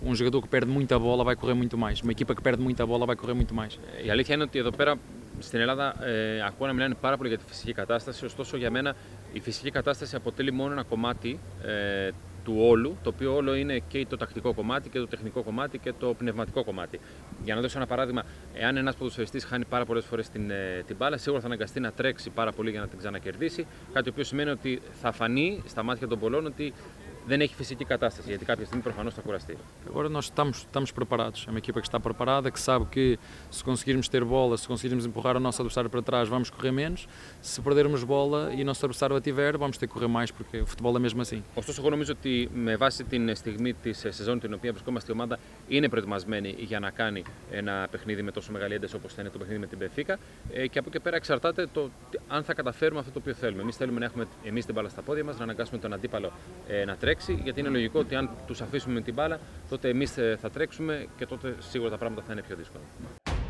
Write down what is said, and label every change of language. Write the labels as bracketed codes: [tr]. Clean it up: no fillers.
[pt] Um jogador que perde muita bola vai correr muito mais, uma equipa que perde muita bola vai correr muito mais. E a realidade é que, aqui [el] στην Ελλάδα ακούω να μιλάνε πάρα πολύ για τη φυσική κατάσταση, ωστόσο για μένα η φυσική κατάσταση αποτελεί μόνο ένα κομμάτι του όλου, το οποίο όλο είναι και το τακτικό κομμάτι και το τεχνικό κομμάτι και το πνευματικό κομμάτι. Για να δώσω ένα παράδειγμα, εάν ένας ποδοσφαιριστής χάνει πάρα πολλές φορές την μπάλα, σίγουρα θα αναγκαστεί να τρέξει πάρα πολύ για να την ξανακερδίσει, κάτι το οποίο σημαίνει ότι θα φανεί στα μάτια των πολλών ότι δεν έχει φυσική κατάσταση, γιατί κάποια στιγμή προφανώς θα κουραστεί. [pt] Agora nós estamos preparados. É uma equipa que está preparada, que sabe que se conseguirmos ter bola, se conseguirmos empurrar o nosso adversário para trás, vamos correr menos. Se perdermos bola e o nosso adversário a tiver, vamos ter que correr mais, porque o futebol é mesmo assim. [el] Ωστόσο, εγώ νομίζω ότι με βάση την στιγμή της σεζόν την οποία βρισκόμαστε, η ομάδα είναι προετοιμασμένη για να κάνει ένα παιχνίδι με τόσο μεγάλη ένταση όπως θα είναι το παιχνίδι με την Μπενφίκα. Και από εκεί πέρα εξαρτάται το αν θα καταφέρουμε αυτό το οποίο θέλουμε. Εμείς θέλουμε να έχουμε εμείς την μπάλα στα πόδια μας, να αναγκάσουμε τον αντίπαλο να τρέξει, γιατί είναι λογικό ότι αν τους αφήσουμε την μπάλα, τότε εμείς θα τρέξουμε και τότε σίγουρα τα πράγματα θα είναι πιο δύσκολα.